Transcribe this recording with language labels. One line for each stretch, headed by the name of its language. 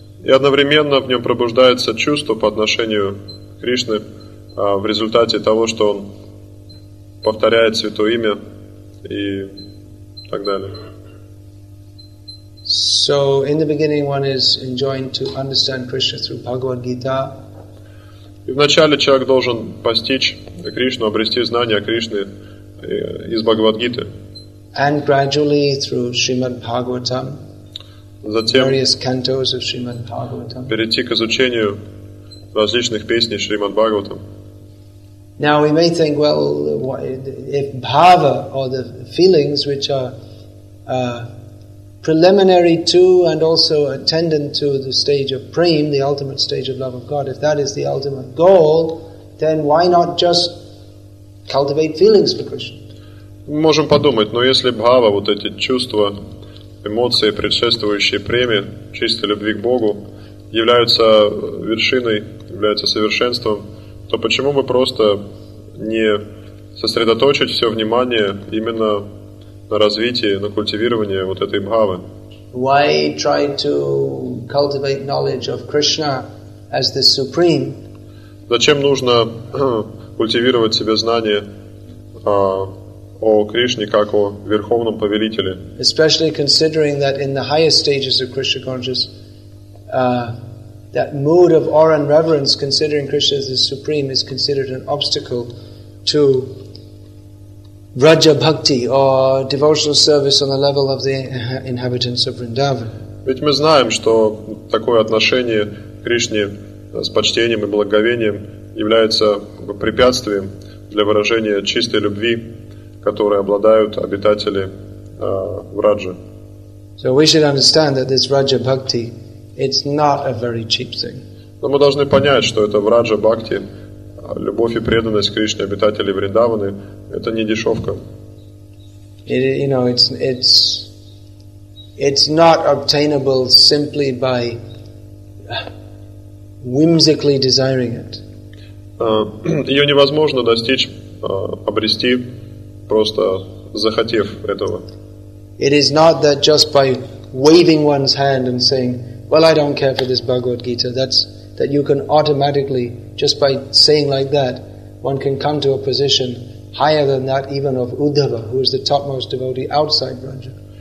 Russian: И одновременно в нем пробуждается чувство по отношению к Кришне в результате того, что он повторяет святое имя и так далее.
English: So in the beginning one is enjoined to understand Krishna through Bhagavad Gita.
Russian: И вначале человек должен постичь Кришну, обрести знания о Кришне из Бхагавад-гиты.
English: And gradually through Srimad Bhagavatam.
Russian: Затем
English: various cantos of Srimad Bhagavatam.
Russian: Перейти к изучению различных песней Srimad Bhagavatam.
English: Now we may think, well, if bhava or the feelings which are preliminary to and also attendant to the stage of prem, the ultimate stage of love of God, if that is the ultimate goal, then why not just cultivate feelings for Krishna?
Russian: Мы можем подумать, но если бхава, вот эти чувства, эмоции, предшествующие преме, чистой любви к Богу, являются вершиной, являются совершенством, то почему бы просто не сосредоточить все внимание именно на развитие, на культивирование вот этой бхавы?
English: Why try to cultivate knowledge of Krishna as the supreme?
Russian: Зачем нужно культивировать себе знание о Кришне как о верховном повелителе?
English: Especially considering that in the highest stages of Krishna consciousness, that mood of awe and reverence, considering Krishna as the supreme, is considered an obstacle to Raja Bhakti or devotional service on the level of the inhabitants of Vrindavan.
Russian: Ведь мы знаем, что такое отношение к Кришне с почтением и благоговением является препятствием для выражения чистой любви, которой обладают обитатели Враджа.
English: So we should understand that this Raja Bhakti, it's not a very cheap thing.
Russian: Но мы должны понять, что это Враджа Бхакти, любовь и преданность Кришне, обитателей Вриндаваны, это не дешевка.
English: It, you know, it's not obtainable simply by whimsically desiring it.
Russian: Ее невозможно достичь, обрести, просто захотев этого.
English: It is not that just by waving one's hand and saying, well, I don't care for this Bhagavad Gita, that you can automatically, just by saying like that, one can come to a position higher than that even of Uddhava, who is the topmost devotee outside Vraja.